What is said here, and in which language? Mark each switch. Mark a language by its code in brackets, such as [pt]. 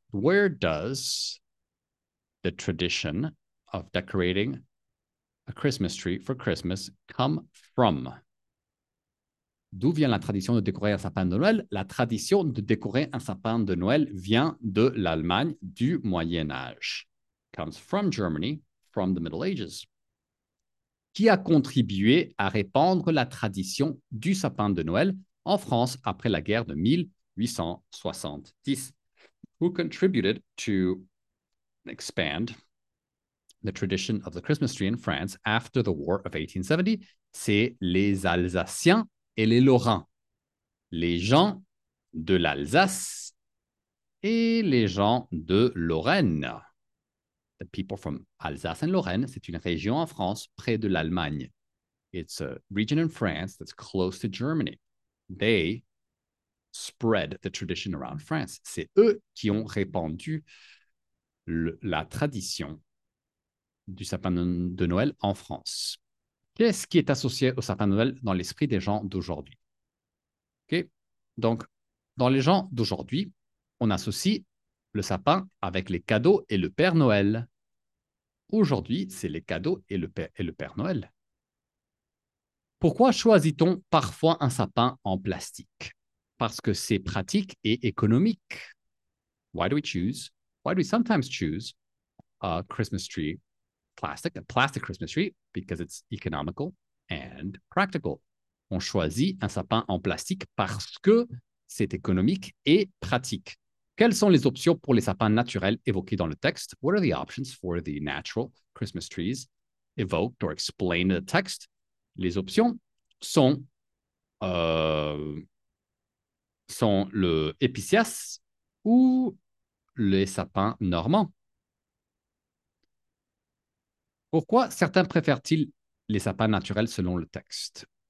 [en] Where does the tradition of decorating a Christmas tree for Christmas come from? [fr] D'où vient la tradition de décorer un sapin de Noël? La tradition de décorer un sapin de Noël vient de l'Allemagne du Moyen-Âge. [en] Comes from Germany, from the Middle Ages. [fr] Qui a contribué à répandre la tradition du sapin de Noël en France après la guerre de 1870? [en] Who contributed to expand the tradition of the Christmas tree in France after the war of 1870? [fr] C'est les Alsaciens et les Lorrains. Les gens de l'Alsace et les gens de Lorraine. [en] The people from Alsace and Lorraine, [fr] c'est une région en France près de l'Allemagne. [en] It's a region in France that's close to Germany. They spread the tradition around France. [fr] C'est eux qui ont répandu la tradition du sapin de Noël en France. Qu'est-ce qui est associé au sapin de Noël dans l'esprit des gens d'aujourd'hui? OK. Donc, dans les gens d'aujourd'hui, on associe le sapin avec les cadeaux et le Père Noël. Aujourd'hui, c'est les cadeaux et le Père Noël. Pourquoi choisit-on parfois un sapin en plastique? Parce que c'est pratique et économique. [en] Why do we sometimes choose a Christmas tree? Plastic, a plastic Christmas tree, because it's economical and practical. [fr] On choisit un sapin en plastique parce que c'est économique et pratique. Quelles sont les options pour les sapins naturels évoqués dans le texte? [en] What are the options for the natural Christmas trees evoked or explained in the text? [fr] Les options sont le épicéas ou les sapins normands. Pourquoi certains préfèrent-ils les sapins naturels selon le texte?